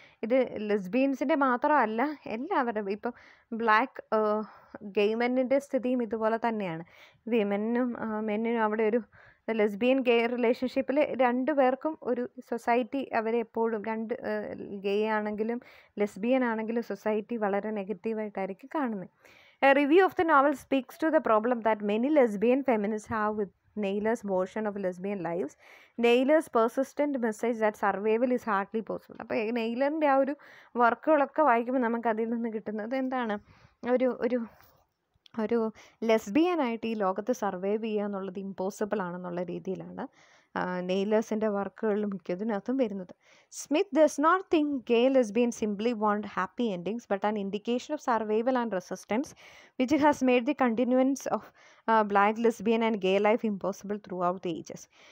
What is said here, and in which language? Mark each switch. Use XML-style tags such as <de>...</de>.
<ml>ഇത് ലെസ്ബിയൻസിൻ്റെ മാത്രമല്ല എല്ലാവരുടെ ഇപ്പം ബ്ലാക്ക് ഗെയ് മെന്നിൻ്റെ സ്ഥിതിയും ഇതുപോലെ തന്നെയാണ്. വിമെനും മെന്നിനും അവിടെ ഒരു ലെസ്ബിയൻ ഗെയ് റിലേഷൻഷിപ്പിൽ രണ്ടു പേർക്കും ഒരു സൊസൈറ്റി അവരെപ്പോഴും രണ്ട് ഗെയ് ആണെങ്കിലും ലെസ്ബിയൻ ആണെങ്കിലും സൊസൈറ്റി വളരെ നെഗറ്റീവായിട്ടായിരിക്കും കാണുന്നത്.</ml> <en>A review of the novel speaks to the problem that many lesbian feminists have with Naylor's version of lesbian lives. Naylor's persistent message that survival is hardly possible.</en> <ml>അപ്പോൾ നെയ്ലറിൻ്റെ ആ ഒരു വർക്കുകളൊക്കെ വായിക്കുമ്പോൾ നമുക്ക് അതിൽ നിന്ന് കിട്ടുന്നത് എന്താണ്, ഒരു ഒരു ഒരു ലെസ്ബിയനായിട്ട് ഈ ലോകത്ത് സർവൈവ് ചെയ്യുക എന്നുള്ളത് ഇമ്പോസിബിൾ ആണെന്നുള്ള രീതിയിലാണ് നെയ്ലേഴ്സിൻ്റെ വർക്കുകളിൽ മിക്കതിനകത്തും വരുന്നത്.</ml> <en>Smith does not think gay lesbian simply want happy endings but an indication of survival and resistance which has made the continuance of black lesbian and gay life impossible throughout the ages.</en>